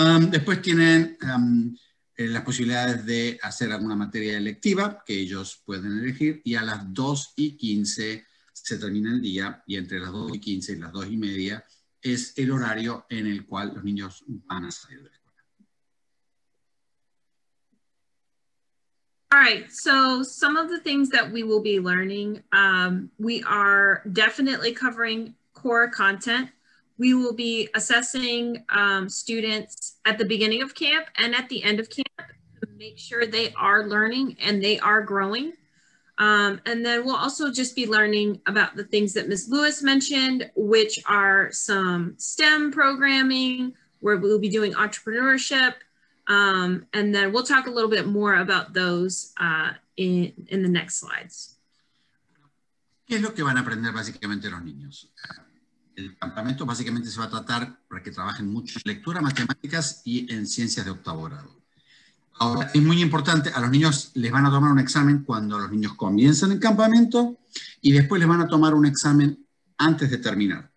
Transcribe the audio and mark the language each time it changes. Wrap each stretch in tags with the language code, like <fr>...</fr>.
<es>Después tienen las posibilidades de hacer alguna materia electiva que ellos pueden elegir, y a las 2:15 se termina el día y entre las 2:15 y las 2:30 es el horario en el cual los niños van a salir de la escuela.</es> <en>All right, so some of the things that we will be learning, we are definitely covering core content. We will be assessing students at the beginning of camp and at the end of camp to make sure they are learning and they are growing. And then we'll also just be learning about the things that Ms. Lewis mentioned, which are some STEM programming, where we'll be doing entrepreneurship. And then we'll talk a little bit more about those in the next slides.</en> <es>¿Qué es lo que van a aprender básicamente los niños? El campamento básicamente se va a tratar para que trabajen mucho en lectura, matemáticas y en ciencias de octavo grado. Ahora, es muy importante, a los niños les van a tomar un examen cuando los niños comienzan el campamento y después les van a tomar un examen antes de terminar.</es>